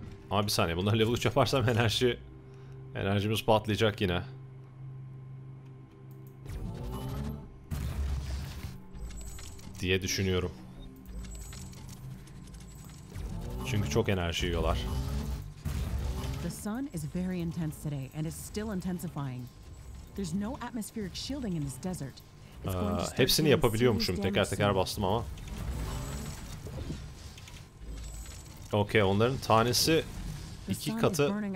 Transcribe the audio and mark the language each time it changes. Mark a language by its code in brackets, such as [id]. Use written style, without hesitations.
[tr] Ama bir saniye, bunları level 3 yaparsam enerjimiz patlayacak yine. Diye düşünüyorum. Çünkü çok enerji yiyorlar. [en] The sun is very intense today and is still intensifying. There's no atmospheric shielding in this desert. [tr] Hepsini yapabiliyormuşum, teker teker bastım ama. Okay, onların tanesi İki katı.